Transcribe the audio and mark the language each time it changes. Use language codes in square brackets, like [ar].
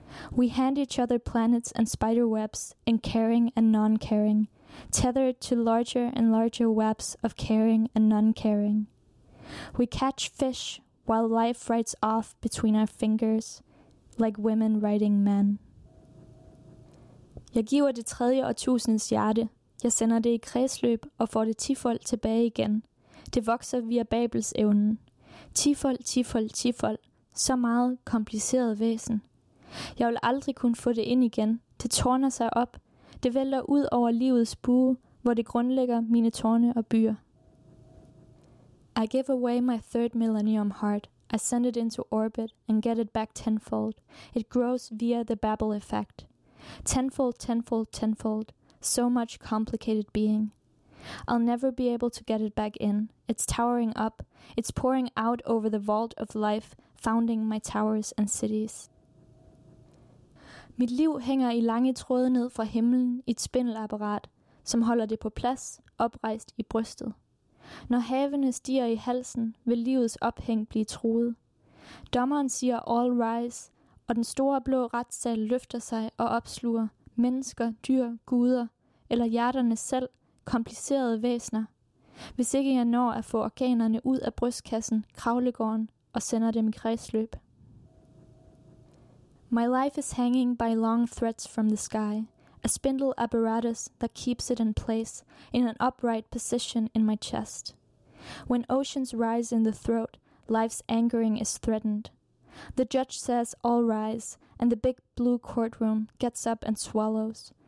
[en] We hand each other planets and spiderwebs in caring and non-caring, tethered to larger and larger webs of caring and non-caring. We catch fish while life writes off between our fingers, like women writing men. [da] Jeg giver det tredje årtusindes hjerte. Jeg sender det i kredsløb og får det tifold tilbage igen. Det vokser via Babels evnen. Tifold, tifold, tifold. Så meget kompliceret væsen. Jeg vil aldrig kunne få det ind igen. Det tårner sig op. Det vælter ud over livets bue, hvor det grundlægger mine tårne og byer. [en] I give away my third millennium heart. I send it into orbit and get it back tenfold. It grows via the Babel effect. Tenfold, tenfold, tenfold. So much complicated being. I'll never be able to get it back in. It's towering up. It's pouring out over the vault of life, founding my towers and cities. [da] Mit liv hænger i lange tråde ned fra himlen i et spindelapparat, som holder det på plads, oprejst i brystet. Når havene stiger i halsen, vil livets ophæng blive truet. Dommeren siger [en] all rise, [da] og den store blå retssal løfter sig og opsluger mennesker, dyr, guder eller hjerterne selv, komplicerede væsner. Hvis ikke jeg når at få organerne ud af brystkassen, kravlegården og sender dem i kredsløb. [en] My life is hanging by long threads from the sky. A spindle apparatus that keeps it in place, in an upright position in my chest. When oceans rise in the throat, life's angering is threatened. The judge says all rise, and the big blue courtroom gets up and swallows.